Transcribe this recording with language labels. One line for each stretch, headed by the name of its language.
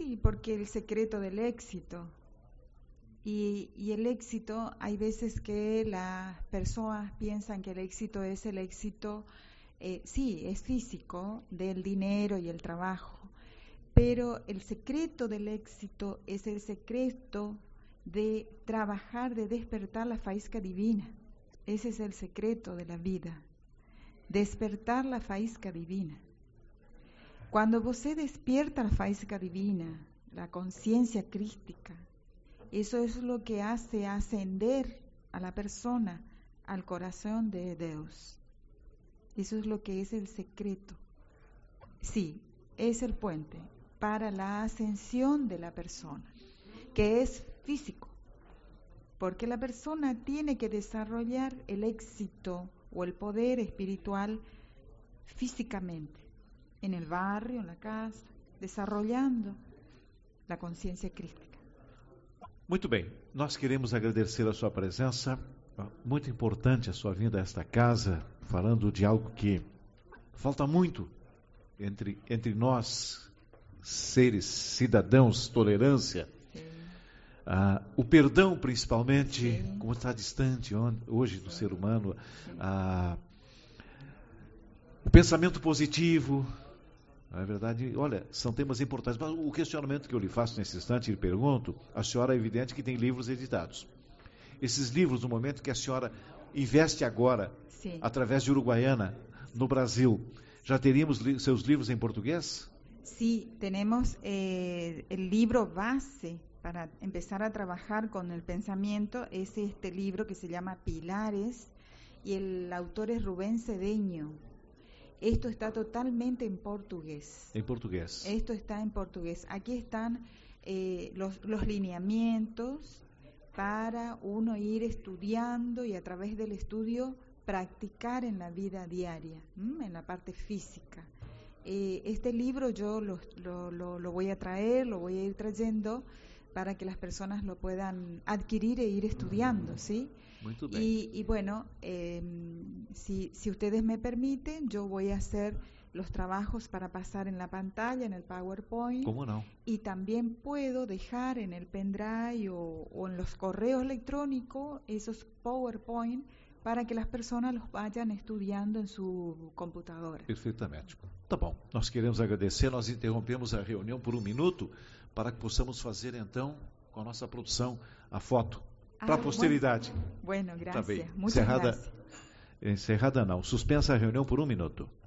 Portuguese: Sí, porque o secreto do éxito, e o éxito, há vezes que as pessoas pensam que o éxito é o éxito, sim, sí, é físico, do dinheiro e do trabalho, mas o secreto do éxito é o secreto de trabalhar, de despertar a faísca divina.
Spanish: Ese es el secreto de la vida, despertar la faísca divina. Cuando usted despierta la faísca divina, la conciencia crística, eso es lo que hace ascender a la persona al corazón de Dios. Eso es lo que es el secreto. Sí, es el puente para la ascensión de la persona, que es físico, Porque la persona tiene que desarrollar el éxito o el poder espiritual físicamente, en el barrio, en la casa, desarrollando la conciencia crística.
Portuguese: Muito bem, nós queremos agradecer a sua presença, muito importante a sua vinda a esta casa, falando de algo que falta muito entre nós, seres, cidadãos, tolerância. O perdão, principalmente, sim, como está distante hoje do ser humano, o pensamento positivo, não é verdade? Olha, são temas importantes, mas o questionamento que eu lhe faço nesse instante, lhe pergunto, a senhora é evidente que tem livros editados. Esses livros, no momento que a senhora investe agora, sim, através de Uruguaiana, no Brasil, já teríamos seus livros em português? Sim, temos o livro base.
Spanish: Para empezar a trabajar con el pensamiento, es este libro que se llama Pilares, y el autor es Rubén Cedeño. Esto está totalmente en portugués. En portugués. Esto está en portugués. Aquí están los lineamientos para uno ir estudiando y a través del estudio practicar en la vida diaria, en la parte física. Este libro yo lo voy a traer, lo voy a ir trayendo, para que las personas lo puedan adquirir e ir estudiando, ¿sí?
Portuguese: Muito bem.
Spanish: Y bueno, si ustedes me permiten, yo voy a hacer los trabajos para pasar en la pantalla, en el PowerPoint. ¿Cómo no? Y también puedo dejar en el pendrive o en los correos electrónicos esos PowerPoint para que las personas los vayan estudiando en su computadora.
Portuguese: Perfectamente. Tá bom. Nós queremos agradecer, nós interrompemos a reunião por 1 minuto. Para que possamos fazer, então, com a nossa produção, a foto para a posteridade.
Spanish: Bueno, gracias.
Portuguese: Tá bem. Muito encerrada, gracias. Encerrada não. Suspensa a reunião por 1 minuto.